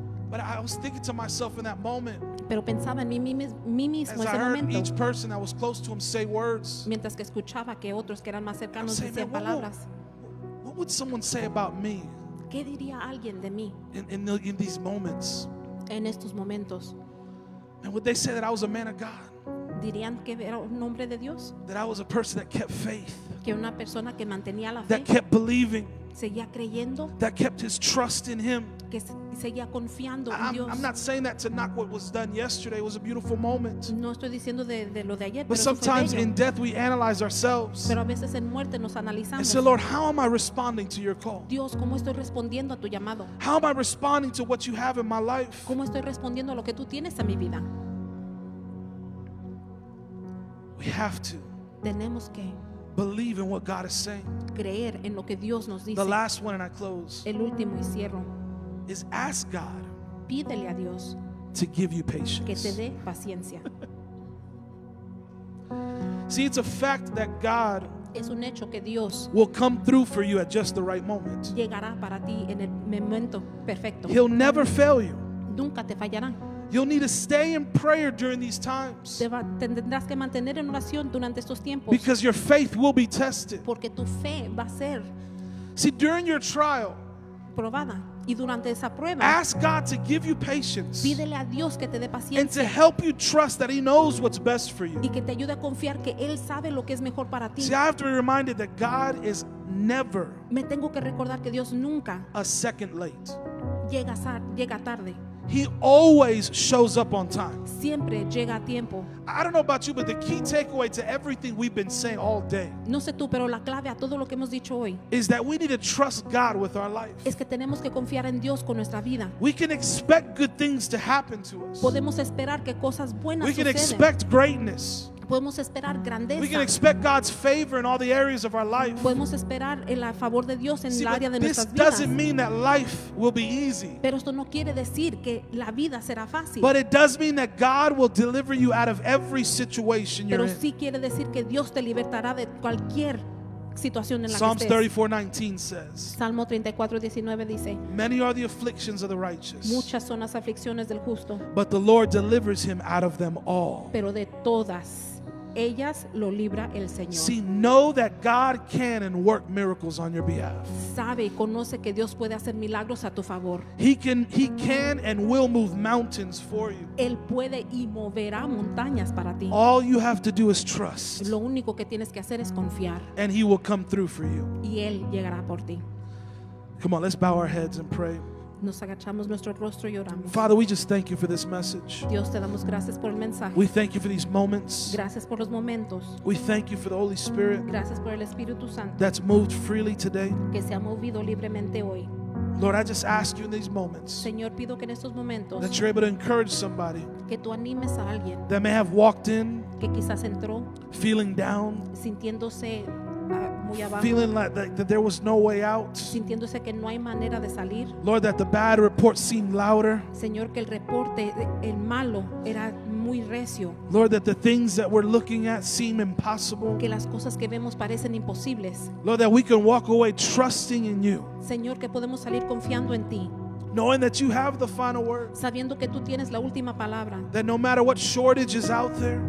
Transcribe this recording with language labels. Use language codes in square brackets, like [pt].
[en] But I was thinking to myself in that moment. [es] Pero pensaba en mí mismo en ese momento. [en] Each person that was close to him say words. [es] Mientras que escuchaba que otros que eran más cercanos decían palabras. [en] What would someone say about me? [es] ¿Qué diría alguien de mí? [en] In these moments. [es] En estos momentos. [en] And would they say that I was a man of God? [es] Dirían que era un hombre de Dios. [en] That I was a person that kept faith. [es] Que una persona que mantenía la fe. [en] That kept believing. [es] Seguía creyendo. [en] That kept his trust in him. [es] Que seguía confiando en Dios. [en] I'm not saying that to knock what was done yesterday. It was a beautiful moment. [es] No estoy diciendo de lo de ayer. [en] But sometimes in death we analyze ourselves. [es] Pero a veces en muerte nos analizamos. [en] And say, Lord, how am I responding to your call? [es] Dios, ¿cómo estoy respondiendo a tu llamado? [en] How am I responding to what you have in my life? [es] ¿Cómo estoy respondiendo a lo que tú tienes en mi vida? [en] We have to [es] tenemos que [en] believe in what God is saying. [es] Creer en lo que Dios nos dice. [en] The last one, and I close. [es] El último y cierro. [en] Is ask God. [es] Pídele a Dios [en] to give you patience. [es] Que te dé paciencia. [en] See, it's a fact that God [es] es un hecho que Dios [en] will come through for you at just the right moment. [es] Llegará para ti en el momento perfecto. [en] He'll never fail you. [es] Nunca te fallará. [en] You'll need to stay in prayer during these times. [es] Tendrás que mantener en oración durante estos tiempos. [en] Because your faith will be tested. [es] Porque tu fe va a ser. [en] See, during your trial, [es] probada, y durante esa prueba, [en] ask God to give you patience. [es] Pídele a Dios que te dé paciencia. [en] And to help you trust that He knows what's best for you. [es] Y que te ayude a confiar que Él sabe lo que es mejor para ti. [en] See, I have to be reminded that God is never. [es] Me tengo que recordar que Dios nunca. [en] A second late. [es] Llega tarde. [en] He always shows up on time. [es] Siempre llega a tiempo. [en] I don't know about you, but the key takeaway to everything we've been saying all day is that we need to trust God with our life. [es] Es que tenemos que confiar en Dios con nuestra vida. [en] We can expect good things to happen to us. [es] Podemos esperar que cosas buenas suceden. [en] We can expect greatness. [es] Podemos esperar grandeza. [en] We can expect God's favor in all the areas of our life. [es] Podemos esperar el favor de Dios en el área de nuestras vidas. [en] This doesn't mean that life will be easy. [es] Pero esto no quiere decir que la vida será fácil. [en] But it does mean that God will deliver you out of every situation you're in. [es] Pero sí quiere decir que Dios te libertará de cualquier situación en la que estés. [en] Psalms 34:19 says. [es] Salmo 34:19 dice. [en] Many are the afflictions of the righteous. [es] Muchas son las aflicciones del justo. [en] But the Lord delivers him out of them all. [es] Pero de todas ellas lo libra el Señor. [en] See, know that God can and work miracles on your behalf. [es] Sabe y conoce que Dios puede hacer milagros a tu favor. [en] He can and will move mountains for you. [es] Él puede y moverá montañas para ti. [en] All you have to do is trust. [es] Lo único que tienes que hacer es confiar. [en] And He will come through for you. [es] Y Él llegará por ti. [en] Come on, let's bow our heads and pray. [es] Nos agachamos nuestro rostro y oramos. [en] Father, we just thank you for this message. [es] Dios, te damos gracias por el mensaje. [en] We thank you for these moments. [es] Gracias por los momentos. [en] We thank you for the Holy Spirit. [es] Gracias por el Espíritu Santo. [en] That's moved freely today. [es] Que se ha movido libremente hoy. [en] Lord, I just ask you in these moments. [es] Señor, pido que en estos momentos. [en] That you're able to encourage somebody. [es] Que tú animes a alguien. [en] That may have walked in. [es] Que quizás entró. [en] Feeling down. [es] Sintiéndose muy abajo. [en] Feeling like that there was no way out. [es] Sintiéndose que no hay manera de salir. [en] Lord, that the bad report seemed louder. [es] Señor, que el reporte, el malo, era muy recio. [en] Lord, that the things that we're looking at seem impossible. [es] Que las cosas que vemos parecen imposibles. [en] Lord, that we can walk away trusting in you. [es] Señor, que podemos salir confiando en ti. [en] Knowing that you have the final word. [es] Sabiendo que tú tienes la última palabra. [en] That no matter what shortage is out there.